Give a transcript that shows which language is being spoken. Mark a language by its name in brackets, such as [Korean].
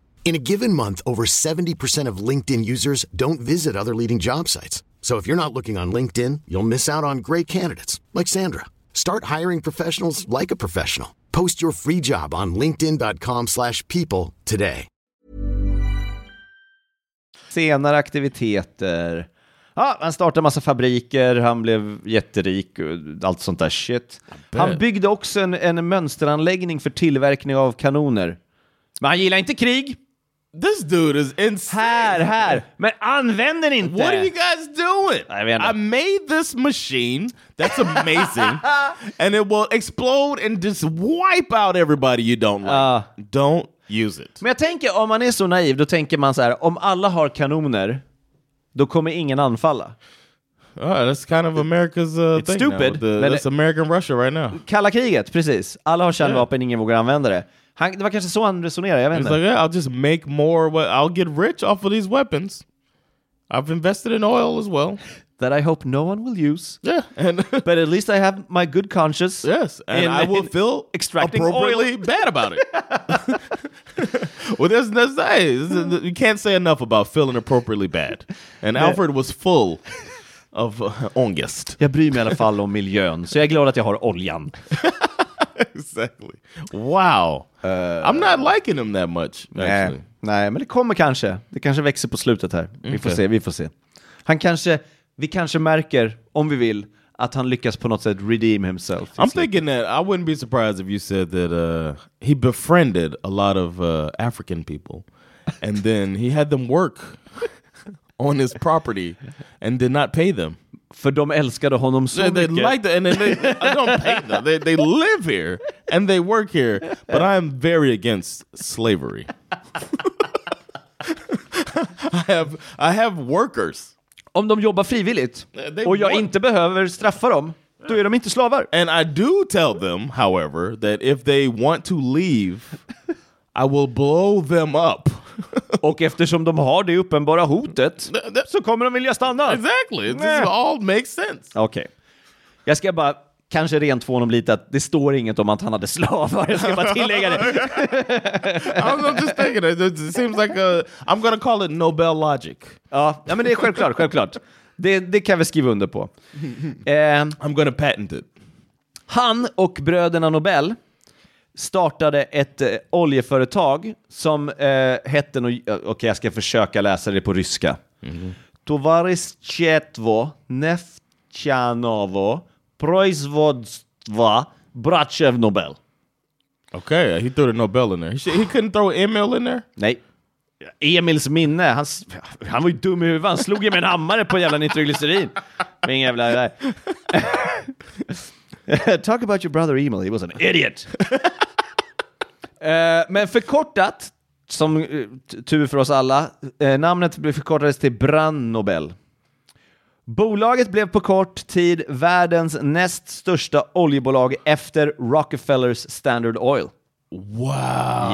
[English] In a given month, over 70% of LinkedIn users don't visit other leading job sites. So if you're not looking on LinkedIn, you'll miss out on great candidates like Sandra. Start hiring professionals like a professional. Post your free job on linkedin.com/people today. [Swedish] Senare aktiviteter. Ja, han startade en massa fabriker, han blev jätterik och allt sånt där shit. Han byggde också en mönsteranläggning för tillverkning av kanoner. Men han gillar inte krig. [English] This dude is insane. [Swedish] Här. Men använd den inte. [English] What are you guys doing? I made this machine. That's amazing. And it will explode and just wipe out everybody you don't like. Don't use it. [Swedish] Men jag tänker, om man är så naiv, då tänker man så här. Om alla har kanoner, då kommer ingen anfalla. [English] That's kind of America's it's thing. Stupid. That's American Russia right now. [Swedish] Kalla kriget, precis. Alla har kärnvapen, ingen vågar använda det. Han, det var kanske så han resonerade, jag vet inte. [English] He's like, yeah, I'll just make more, I'll get rich off of these weapons. I've invested in oil as well. That I hope no one will use. Yeah. And but at least I have my good conscience. Yes, and in, I will feel appropriately oil. Bad about it. Well, that's you can't say enough about feeling appropriately bad. And Alfred was full of ångest. [Swedish] Jag bryr mig i alla fall om miljön, så jag är glad att jag har oljan. [English] Exactly. Wow. I'm not liking him that much. [Swedish] Nej, men det kommer kanske. Det kanske växer på slutet här. Vi får se. Vi kanske märker, om vi vill, att han lyckas på något sätt [English] redeem himself. I'm thinking that I wouldn't be surprised if you said that he befriended a lot of African people. And then he had them work on his property and did not pay them. [Swedish] För de älskade honom så mycket. [English] Liked it, and then I don't pay them. They live here and they work here, but I am very against slavery. I have workers. [Swedish] Om de jobbar frivilligt och jag inte behöver straffa dem, då är de inte slavar. [English] And I do tell them, however, that if they want to leave, I will blow them up. [Swedish] Och eftersom de har det uppenbara hotet, så kommer de vilja stanna. [English] Exactly, this all makes sense. [Swedish] Okej, okay. Jag ska bara kanske rent få honom lite att det står inget om att han hade slavar. Jag ska bara tillägga det. [English] I'm just thinking it seems like I'm gonna call it Nobel logic. [Swedish] Ja, men det är självklart. Det kan vi skriva under på. [English] I'm gonna patent it. [Swedish] Han och bröderna Nobel startade ett oljeföretag som hette, okej, jag ska försöka läsa det på ryska. Mm-hmm. Tovaristchetvo [Russian] Kachanovo Proizvodstva Brachev Nobel. [English] Okay, he threw the Nobel in there. He couldn't throw Emil in there? [Swedish] Nej. Emils minne, han var ju dum i huvudet. Han slog ju med en hammare på jävla nitroglycerin. Min jävla... [English] Talk about your brother Emil, he was an idiot. [Swedish] Men förkortat, som tur för oss alla, namnet blev förkortades till Brand Nobel. Bolaget blev på kort tid världens näst största oljebolag efter Rockefellers Standard Oil. [English] Wow.